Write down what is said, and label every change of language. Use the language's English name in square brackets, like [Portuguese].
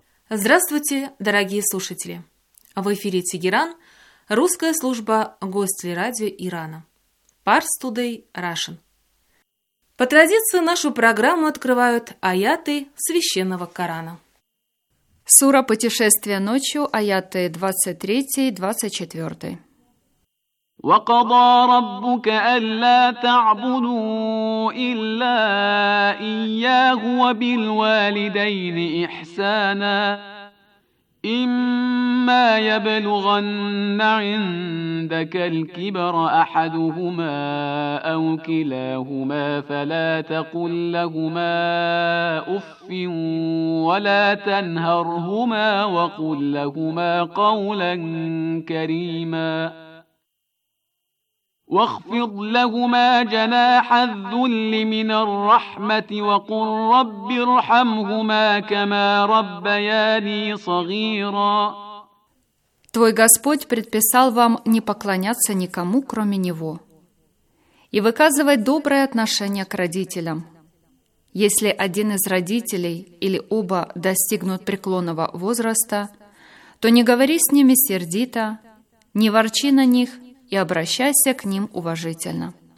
[Russian] Здравствуйте, дорогие слушатели! В эфире Тегеран, русская служба гостелерадио Ирана. Pars Today Russian. По традиции нашу программу открывают аяты священного Корана. Сура «Путешествие ночью», аяты 23-24. [Arabic] وقضى ربك ألا تعبدوا إلا إياه وبالوالدين إحسانا إما يبلغن عندك الكبر أحدهما أو كلاهما فلا تقل لهما أف ولا تنهرهما وقل لهما قولا كريما واخفض لهما جناح الذل من الرحمة وقل رب ارحمهما كما ربياني صغيرا. [Russian] Твой Господь предписал вам не поклоняться никому, кроме Него, и выказывать доброе отношение к родителям. Если один из родителей или оба достигнут преклонного возраста, то не говори с ними сердито, не ворчи на них и обращайся к ним уважительно.